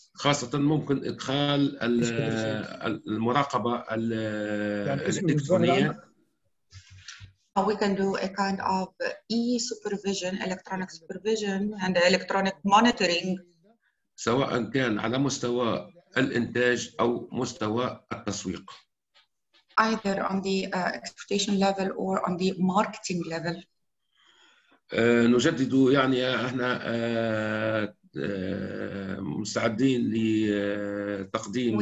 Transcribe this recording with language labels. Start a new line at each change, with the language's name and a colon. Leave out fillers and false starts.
Arabic: خاصة ممكن إدخال المراقبة الإلكترونية.
English: We can do a kind of e-supervision, electronic supervision, and electronic monitoring.
Arabic: سواء كان على مستوى الإنتاج أو مستوى التسويق.
English: Either on the exportation level or on the marketing level.
Arabic: نجدد يعني احنا مستعدين لتقديم